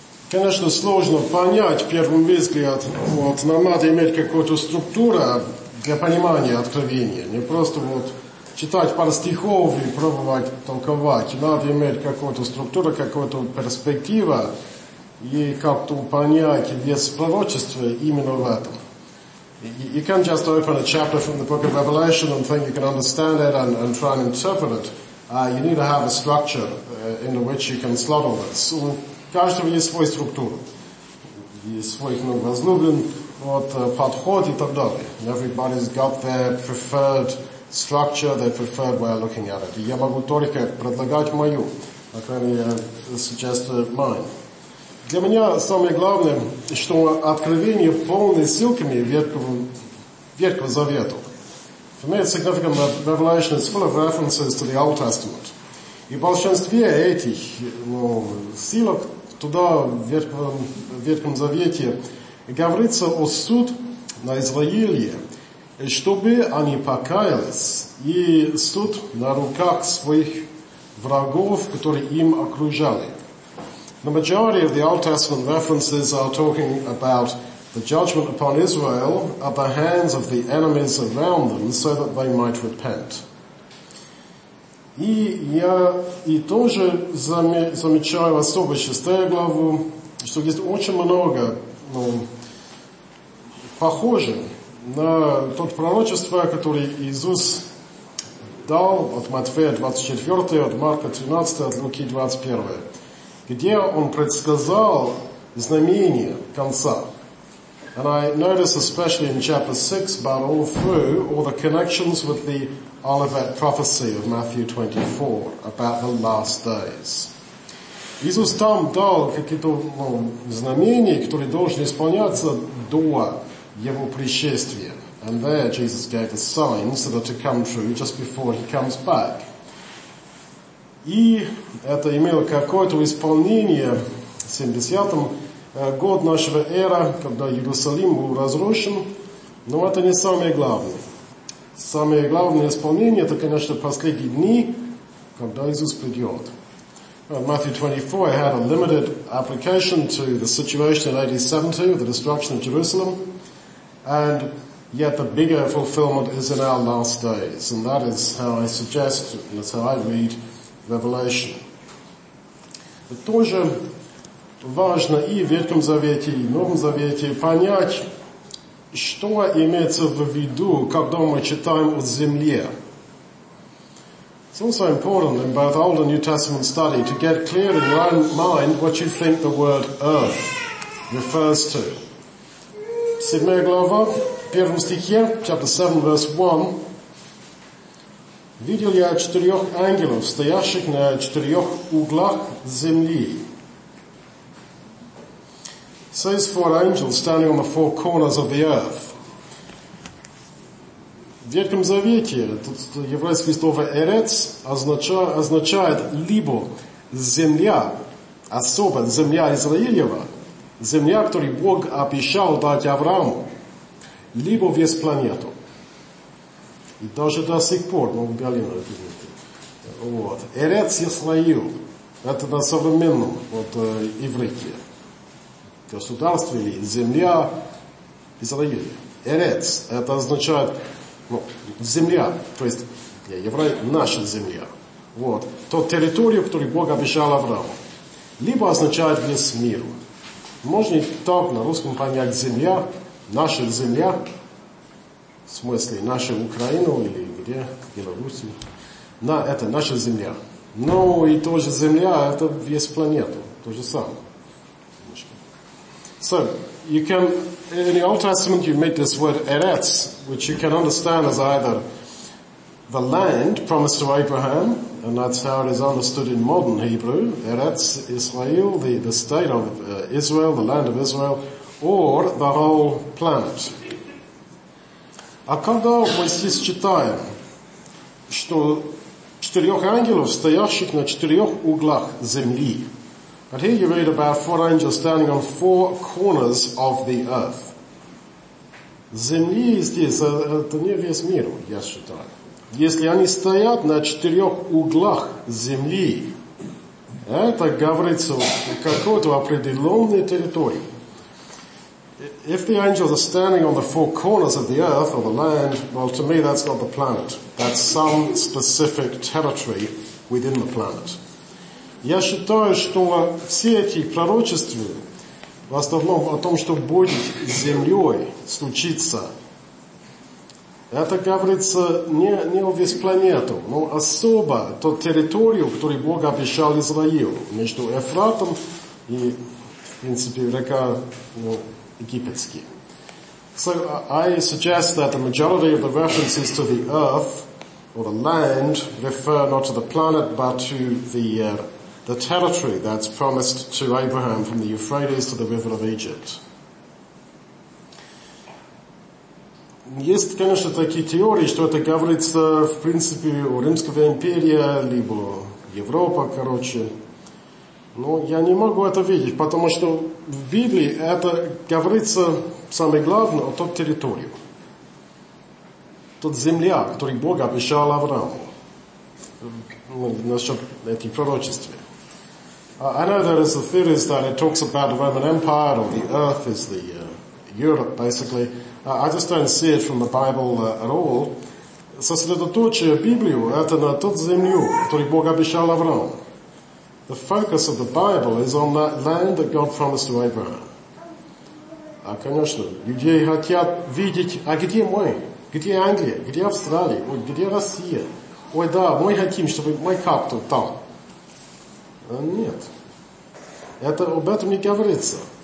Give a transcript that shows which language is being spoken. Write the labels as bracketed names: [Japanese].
[Russian] Конечно, сложно понять, в первый взгляд, вот, нам надо иметь какую-то структуру для понимания откровения. Не просто вот читать пару стихов и пробовать толковать. Надо иметь какую-то структуру, какую-то перспективу и как-то понять вес пророчества именно в этом. [English] You can't just open a chapter from the book of Revelation and think you can understand it and try and interpret it. You need to have a structure in which you can slot all this. [Russian] У каждого есть свой структура. Есть свой, ну, возлюблен, вот, подход и так далее. [English] Everybody's got their preferred structure, their preferred way of looking at it. [Russian] Я могу только предлагать мою, а кроме [English] suggest mine. [Russian] Для меня самое главное, что откровение полное ссылками Ветхого Завета. [English] For me it's significant that Revelation is full of references to the Old Testament. [Russian] И большинство этих, ну, ссылок туда, в Ветхом Завете, говорится о суд на Израиле, чтобы они покаялись, и суд на руках своих врагов, которые им окружали. [English] The majority of the Old Testament references are talking about the judgment upon Israel at the hands of the enemies around them so that they might repent. [Russian] И я и тоже замечаю, особо 6 главу, что есть очень много, ну, похоже на то пророчество, которое Иисус дал от Матфея 24, от Марка 13, от Луки 21, где он предсказал знамение конца. [English] And I notice, especially in chapter 6, but all through, all the connections with the Olivet prophecy of Matthew 24 about the last days. [Russian] Иисус там дал какие-то, ну, знамения, которые должны исполняться до его пришествия. [English] And there Jesus gave the signs that are to come true just before he comes back. [Russian] И это имело какое-то исполнение в 70-м год нашего эра, когда Иерусалим был разрушен, но это не самое главное. Самое главное исполнение, это, конечно, последние дни, когда Иисус придет. [English] Matthew 24 had a limited application to the situation in AD 70, the destruction of Jerusalem, and yet the bigger fulfillment is in our last days, and that is how I suggest, and that's how I read Revelation. [Russian] Тоже важно и в Ветхом Завете, и в Новом Завете понять, что имеется в виду, когда мы читаем о земле. [English] It's also important in both Old and New Testament study to get clear in your own mind what you think the word earth refers to. [Russian] 7 глава, 1 стихе, [English] chapter 7, verse 1. [Russian] Видел я четырех ангелов, стоящих на четырех углах земли. [English] Says four angels standing on the four corners of the earth. [Russian] В Ветхом Завете тут еврейское слово «эрец» означает либо земля, особо земля Израилева, земля, которую Бог обещал дать Аврааму, либо весь планету. И даже до сих пор, ну, Галина, вот, «эрец Исраил» — это на современном, вот, иврите. Государство или земля Израиля. Эрец. Это означает, ну, земля. То есть для евреев наша земля. Вот. То территорию, которую Бог обещал Аврааму. Либо означает весь мир. Можно и так на русском понять земля. Наша земля. В смысле наша Украина или где? Белоруссия. На, это наша земля. Но и тоже земля, это весь планету. То же самое. [English] So, you can, in the Old Testament you meet this word Eretz, which you can understand as either the land promised to Abraham, and that's how it is understood in modern Hebrew, Eretz Israel, the state of Israel, the land of Israel, or the whole planet. [Russian] А когда мы здесь читаем, что четырех ангелов, стоящих на четырех углах земли, [English] but here you read about four angels standing on four corners of the earth. [Russian] Земли здесь, это не весь мир, я считаю. Если они стоят на четырех углах земли, это говорится о какой-то определенной территории. [English] If the angels are standing on the four corners of the earth or the land, well, to me, that's not the planet. That's some specific territory within the planet. [Russian] Я считаю, что все эти пророчества в основном о том, что будет с землей случиться, это говорится не о весь планету, но особо ту территорию, которую Бог обещал Израилю, между Эфратом и, в принципе, река Египетский. [English] So I suggest that the majority of the references to the earth or the land refer not to the planet, but to the territory that's promised to Abraham from the Euphrates to the river of Egypt. [Russian] Есть, конечно, такие теории, что это говорится, в принципе, о Римской империи, либо Европа, короче. Но я не могу это видеть, потому что в Библии это говорится, самое главное, о той территории. Тот земля, которую Бог обещал Аврааму. Насчет этих пророчеств. [English] I know there is a theory that it talks about the Roman Empire or the earth is the Europe, basically. I just don't see it from the Bible at all. [Russian] Сосредоточие Библии – это на тот землю, который Бог обещал Аврааму. [English] The focus of the Bible is on that land that God promised to Abraham. [Russian] Конечно, люди хотят видеть, а где мы? Где Англия? Где Австралия? Ой, где Россия? Ой, да, мы хотим, чтобы мы как-то там. Нет. Это об этом не говорится.